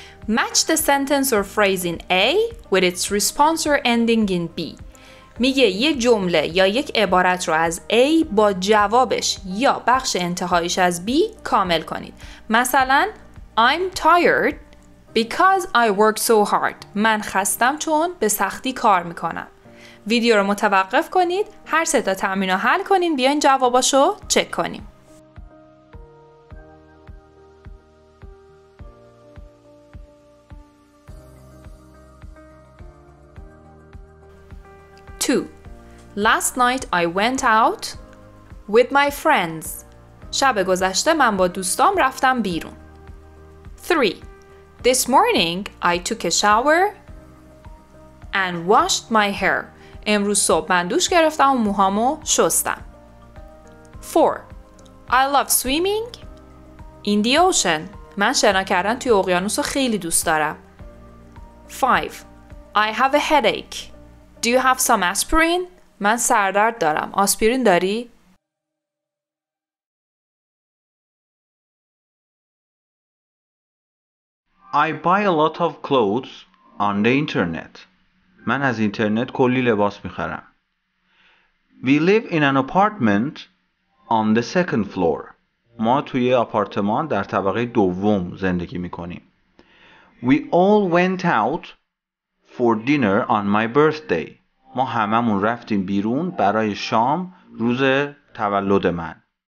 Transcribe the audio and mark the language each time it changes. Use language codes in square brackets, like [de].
[en] Match the sentence or phrase in A with its response or ending in B. [fa] میگه یه جمله یا یک عبارت رو از A با جوابش یا بخش انتهایش از B کامل کنید. مثلا [en] I'm tired because I work so hard، [fa] من خستم چون به سختی کار میکنم. ویدیو رو متوقف کنید، هر سه تا تمرین رو حل کنید، بیاین جواباشو چک کنیم. [en] Two. Last night I went out with my friends، [fa] شب گذشته من با دوستام رفتم بیرون. [en] Three. This morning I took a shower and washed my hair. [fa] امروز صبح من دوش گرفتم و موهامو شستم. [en] 4. I love swimming in the ocean. [fa] من شنا کردن توی اقیانوس رو خیلی دوست دارم. [en] 5. I have a headache. Do you have some aspirin? [fa] من سردرد دارم. آسپرین داری؟ [en] I buy a lot of clothes on the internet. [fa] من از اینترنت کلی لباس می‌خرم. [en] We live in an apartment on the second floor. [fa] ما توی آپارتمان در طبقه دوم زندگی می‌کنیم. [en] We all went out for dinner on my birthday. [fa] ما هممون رفتیم بیرون برای شام روز تولد من.